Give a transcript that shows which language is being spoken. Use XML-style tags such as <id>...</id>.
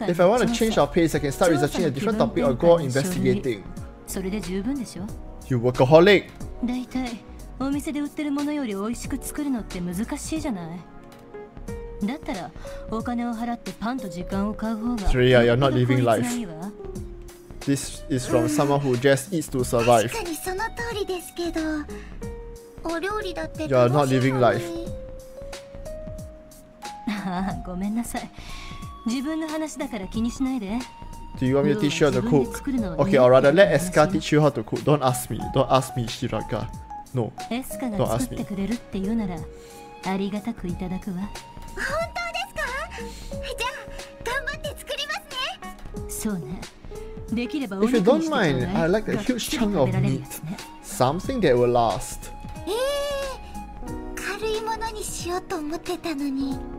<en>If I want to change of pace, I can start researching a different topic or go investigating。</en> <ja>それで十分でしょ。</ja> <en>You workaholic。</en> <ja>大体お店で売ってるものより美味しく作るのって難しいじゃない。だったらお金を払ってパンと時間を買う方が。</ja> <en>Three, you're not living life。 This is from someone who just eats to survive.</en> <ja>確かにその通りですけど、お料理だって。</ja> <en>You are not living life.</en> <ja>ごめんなさい。自分の話だから気にしないで。</ja> <en>Do you want me to teach you how to cook? Okay, or rather, let Escha teach you how to cook. Don't ask me. Don't ask me, Shiraka. No.</en> <ja>Escha が作ってくれるって言うなら、ありがたくいただくわ。本当ですか？じゃあ、頑張って作りますね。そうね。</ja> <en>If you don't mind, I like a huge chunk of meat. Something that will last.</en> <ja>Heavy ものにしようと思ってたのに。</ja>